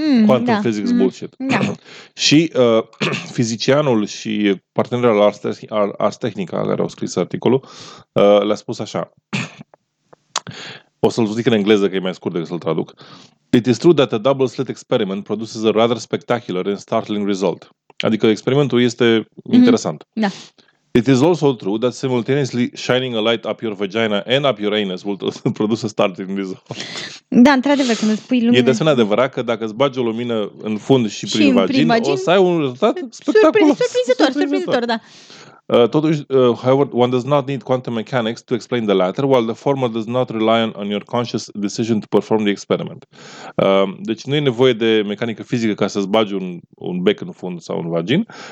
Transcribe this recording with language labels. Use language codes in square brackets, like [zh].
[en] Quantum physics bullshit. [ro] Și fizicianul și partenerul la Ars Technica care au scris articolul le-a spus așa. O să-l zic în engleză, că e mai scurt decât să-l traduc. [en] It is true that a double slit experiment produces a rather spectacular and startling result. [ro] Adică experimentul este interesant. Da. [en] It is also true that simultaneously shining a light up your vagina and up your anus will produce a startling result. [ro] Da, într-adevăr, când îți pui lumină... E de asemenea adevărat că dacă îți bagi o lumină în fund și prin vagin, o să ai un rezultat spectaculos. Surprinzător, da. [en] Totuși, however, one does not need quantum mechanics to explain the latter, while the former does not rely on your conscious decision to perform the experiment. [ro] Deci nu e nevoie de mecanică fizică ca să-ți bagi un bec în fund sau un vagin.